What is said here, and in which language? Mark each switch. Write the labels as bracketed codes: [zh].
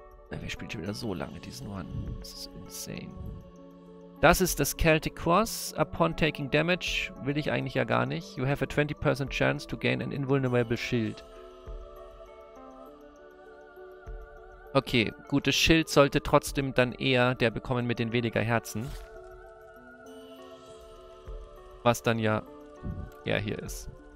[de] Wir spielen schon wieder so lange diesen One. Das ist insane. Das ist das Celtic Cross. [en] Upon taking damage, [de] will ich eigentlich ja gar nicht. [en] You have a 20% chance to gain an invulnerable shield. [de] Okay, gut, das Schild sollte trotzdem dann eher der bekommen mit den weniger Herzen. Was dann ja er hier ist.